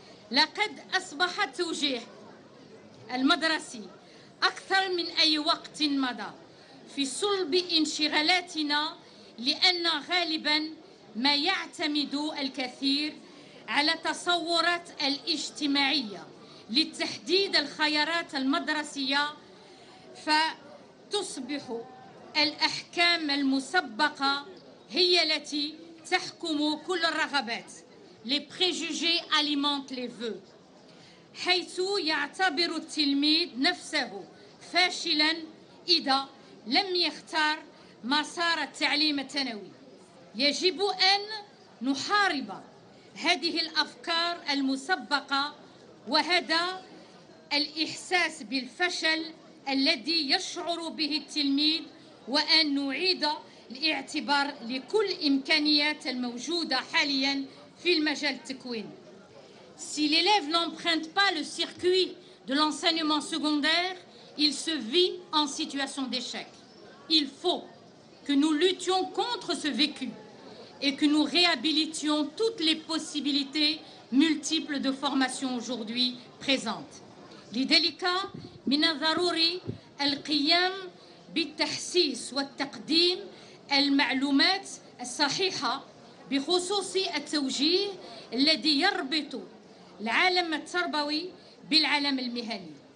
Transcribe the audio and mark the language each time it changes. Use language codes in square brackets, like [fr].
[ar] لقد أصبح التوجيه المدرسي أكثر من أي وقت مضى في صلب انشغالاتنا، لأن غالبا ما يعتمد الكثير على التصورات الاجتماعية لتحديد الخيارات المدرسية، فتصبح الأحكام المسبقة هي التي تحكم كل الرغبات. [fr] Les préjugés alimentent les vœux. [ar] حيث يعتبر التلميذ نفسه فاشلا إذا لم يختار مسار التعليم الثانوي. يجب أن نحارب هذه الأفكار المسبقة وهذا الإحساس بالفشل الذي يشعر به التلميذ، وأن نعيد الاعتبار لكل إمكانيات الموجودة حاليا في المجال التكوين. [fr] Si l'élève n'emprunte pas le circuit de l'enseignement secondaire, il se vit en situation d'échec. Il faut que nous luttions contre ce vécu et que nous réhabilitions toutes les possibilités multiples de formation aujourd'hui présentes. [ar] لذلك من الضروري القيام بالتحسيس والتقديم المعلومات الصحيحة بخصوص التوجيه الذي يربط العالم التربوي بالعالم المهني.